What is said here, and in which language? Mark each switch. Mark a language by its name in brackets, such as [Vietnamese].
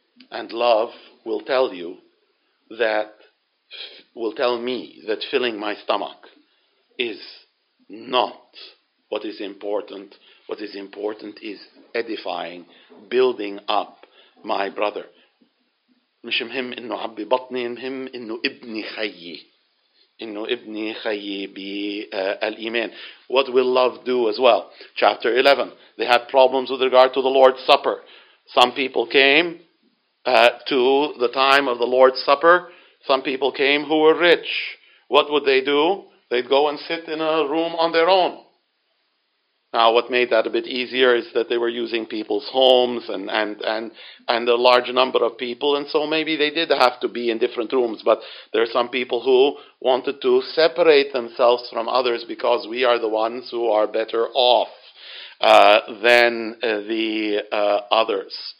[English] And love will tell you that, will tell me that filling my stomach is not what is important. What is important is edifying, building up my brother. [Arabic] مش مهم انه عبي بطني, مهم انه ابني خيي, انه ابني خيي بالايمان. [English] What will love do as well? Chapter 11. They had problems with regard to the Lord's Supper. Some people came to the time of the Lord's Supper. Some people came who were rich. What would they do? They'd go and sit in a room on their own. Now, what made that a bit easier is that they were using people's homes and a large number of people, and so maybe they did have to be in different rooms, but there are some people who wanted to separate themselves from others because we are the ones who are better off than the others.